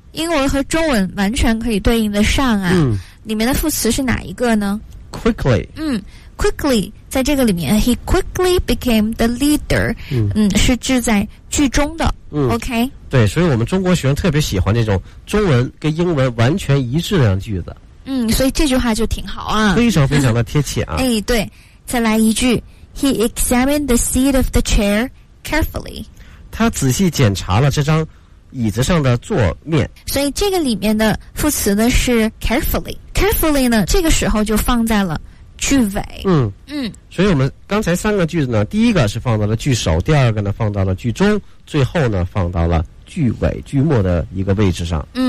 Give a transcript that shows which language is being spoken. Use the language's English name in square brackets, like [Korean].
[Chinese] 英文和中文完全可以对应的上啊，里面的副词是哪一个呢？ [English] quickly， [Chinese] quickly 在这个里面 [English] he quickly became the leader， [Chinese] 是置在句中的。OK，对，所以我们中国学生特别喜欢这种中文跟英文完全一致的句子。所以这句话就挺好啊，非常非常的贴切啊。 [English] 对， [Chinese] 再来一句， [English] he examined the seat of the chair carefully， [Chinese] 他仔细检查了这张椅子上的座面。所以这个里面的副词呢是 carefully。carefully 呢这个时候就放在了句尾。所以我们刚才三个句子呢，第一个是放到了句首，第二个呢放到了句中，最后呢放到了句尾句末的一个位置上。